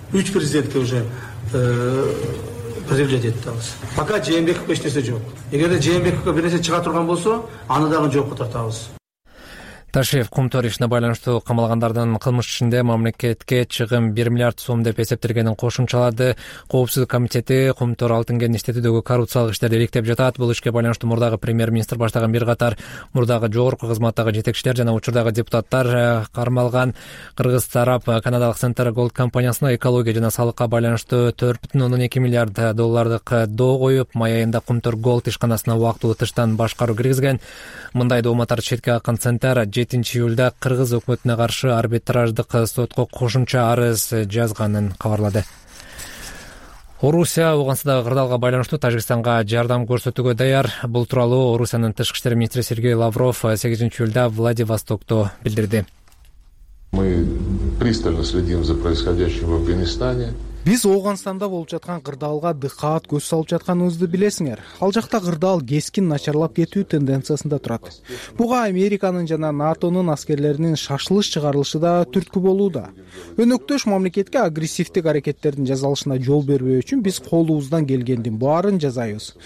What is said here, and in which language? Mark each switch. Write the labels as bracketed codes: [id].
[ky] Үч президентке [ru] уже предъявлять [ky] этабыз. Пока Жээнбековго эч нерсе жок. Эгерде Жээнбековго бир нерсе чыга турган болсо, аны дагы жокко тартабыз. Ташиев кумтор ишине байланыштуу камалгандардын кылмыш ишинде мамлекетке чыгым 1 миллиард сом деп эсептелгенин кошумчалады. Коопсуздук комитети кумтор алтын кен иштетүүдөгү коррупциялык иштерди иликтеп жатат. Бул ишке байланыштуу мурдагы премьер министр баштаган бир катар мурдагы жогорку кызматтагы жетекчилер жана учурдагы депутаттар кармалган. Кыргыз тарап канадалык Центр Голд компаниясына экология жана салыкка байланыштуу 4.2 миллиард доллардык доо коюп, май айында кумтор голд ишканасына убактылуу тыштан башкаруу киргизген. Мындай доо матар четке аккан Центр 7-июлда кыргыз өкмөтүнө каршы арбитраждык сотко кошумча арыз жазганын кабарлады. Орусия Ауганстандагы кырдаалга байланыштуу Тажикстанга жардам көрсөтүүгө даяр. Бул тууралуу Орусиянын тышкы иштер министри Сергей Лавров 8-июлда Владивостокто билдирди. [ru] Мы пристально следим за происходящим в Афганистане. [ky] Биз Ооганстанда болуп жаткан кырдаалга дыкаат көз салып жатканыбызды билесиңер. Ал жакта кырдаал кескин начарлап кетүү тенденциясында турат. Буга Американын жана НАТОнун аскерлеринин шашылыш чыгарылышы да түрткү болууда. Өнөктөш мамлекетке агрессивдик аракеттердин жазалышына жол бербөө үчүн биз колубуздан келгендин баарын жасайбыз.